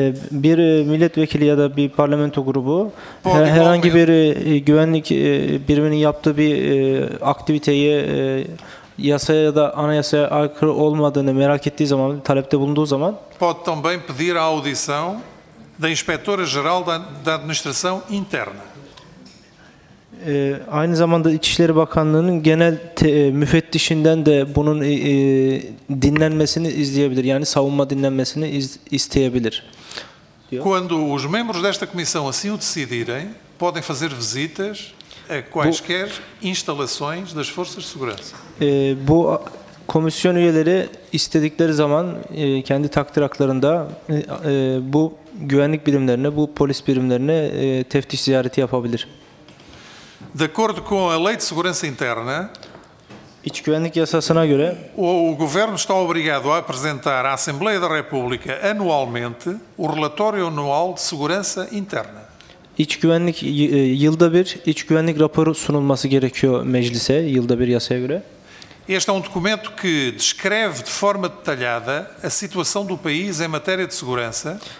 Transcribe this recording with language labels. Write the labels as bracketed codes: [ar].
[tr] Bir milletvekili ya da bir parlamento grubu herhangi bir güvenlik biriminin yaptığı bir aktiviteyi yasaya ya da anayasaya aykırı olmadığını merak ettiği zaman, talepte bulunduğu zaman [pt] pode também pedir a audição da Inspetora-Geral da Administração Interna. [tr] Aynı zamanda İçişleri Bakanlığı'nın genel müfettişinden de bunun dinlenmesini izleyebilir. Yani savunma dinlenmesini isteyebilir. Diyor. [pt] Quando os membros desta comissão assim o decidirem, podem fazer visitas a quaisquer instalações das forças de segurança. [tr] Bu komisyon üyeleri istedikleri zaman kendi takdir haklarında bu güvenlik birimlerine, bu polis birimlerine teftiş ziyareti yapabilir. [pt] De acordo com a Lei de Segurança Interna, [tr] İç güvenlik yasasına göre, [pt] o governo está obrigado a apresentar à Assembleia da República anualmente o relatório anual de segurança interna. [tr] İç güvenlik yılda bir iç güvenlik raporu sunulması gerekiyor meclise yılda bir yasaya göre. [pt] Este é um documento que descreve de forma detalhada a situação do país em matéria de segurança.